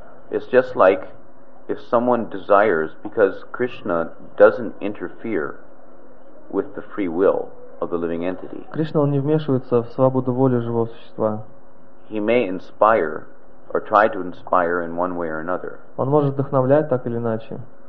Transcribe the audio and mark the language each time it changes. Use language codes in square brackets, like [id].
[en] It's just like if someone desires, because Krishna doesn't interfere with the free will of the living entity. [ru] Кришна, он не вмешивается в свободу воли живого существа. [en] He may inspire or try to inspire in one way or another. [ru] Он может вдохновлять так или иначе.